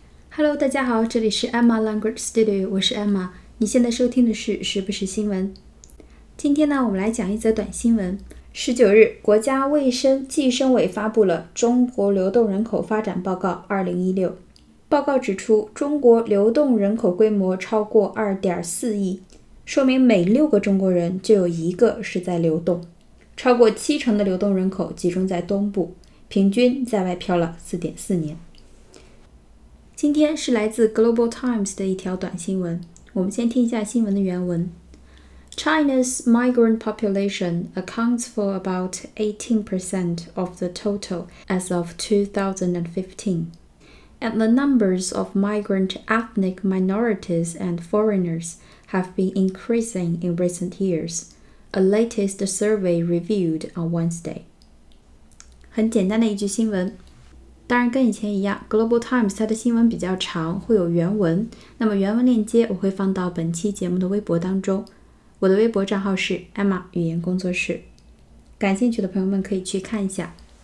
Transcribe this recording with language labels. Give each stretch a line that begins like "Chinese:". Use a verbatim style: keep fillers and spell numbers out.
Chinese: Hello， 大家好，这里是 Emma Language Studio， 我是 Emma。你现在收听的是时不时新闻。今天呢，我们来讲一则短新闻。十九日，国家卫生计生委发布了《中国流动人口发展报告（二零一六）》。报告指出，中国流动人口规模超过二点四亿，说明每六个中国人就有一个是在流动。超过七成的流动人口集中在东部，平均在外漂了四点四年。今天是来自 Global Times 的一条短新闻，我们先听一下新闻的原文。
English: China's migrant population accounts for about eighteen percent of the total as of two thousand fifteen, and the numbers of migrant ethnic minorities and foreigners have been increasing in recent years, a latest survey reviewed on Wednesday.
Chinese: 很简单的一句新闻。当然跟以前一样 Global Times 它的新闻比较长，会有原文，那么原文链接我会放到本期节目的微博当中，我的微博账号是 Emma 语言工作室，感兴趣的朋友们可以去看一下。